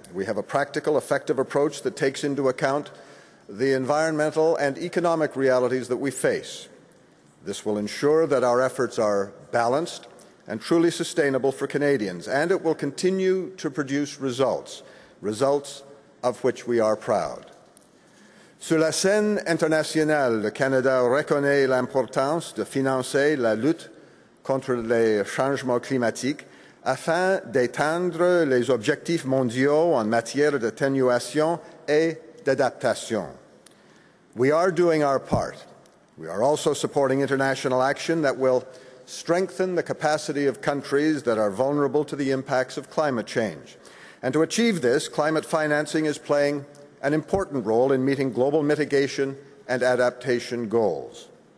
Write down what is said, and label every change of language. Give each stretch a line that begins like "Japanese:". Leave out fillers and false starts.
English: We have a practical, effective approach that takes into account the environmental and economic realities that we face. This will ensure that our efforts are balanced and truly sustainable for Canadians, and it will continue to produce results, results of which we are proud.
French: Sur la scène internationale, le Canada reconnaît l'importance de financer la lutte contre les changements climatiques afin d'atteindre les objectifs mondiaux en matière d'atténuation et d'adaptation.
English: We are doing our part. We are also supporting international action that will strengthen the capacity of countries that are vulnerable to the impacts of climate change. And to achieve this, climate financing is playing an important role in meeting global mitigation and adaptation goals.